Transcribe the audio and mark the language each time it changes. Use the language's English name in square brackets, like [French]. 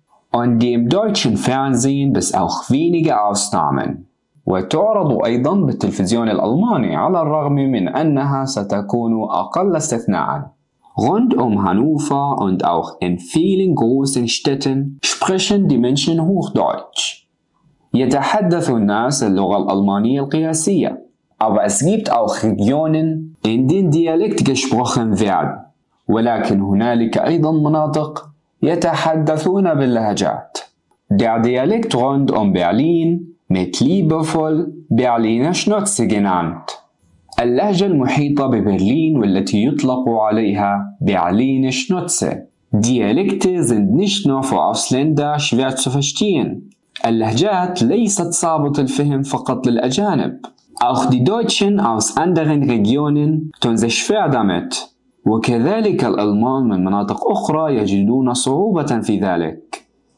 [German] Und die im deutschen Fernsehen bis auch wenige Ausnahmen. [Arabic] وتعرض أيضا بالتلفزيون الألماني على الرغم من أنها ستكون أقل استثناء. [German] Rund um Hannover und auch in vielen großen Städten sprechen die Menschen Hochdeutsch. [Arabic] يتحدث الناس اللغة الألمانية القياسية. [German] Aber es gibt auch Regionen, in denen Dialekt gesprochen wird. [Arabic] ولكن هنالك أيضا مناطق يتحدثون باللهجات. [German] Der Dialekt rund um Berlin mit liebevoll Berliner Schnauze genannt. [Arabic] اللهجة المحيطة ببرلين والتي يطلق عليها برلين شنوتسة. [German] Dialekte sind nicht nur für Ausländer schwer zu verstehen. [Arabic] اللهجات ليست صعبة الفهم فقط للأجانب. [German] Auch die Deutschen aus anderen Regionen tun sich schwer damit. [Arabic] وكذلك الألمان من مناطق أخرى يجدون صعوبة في ذلك.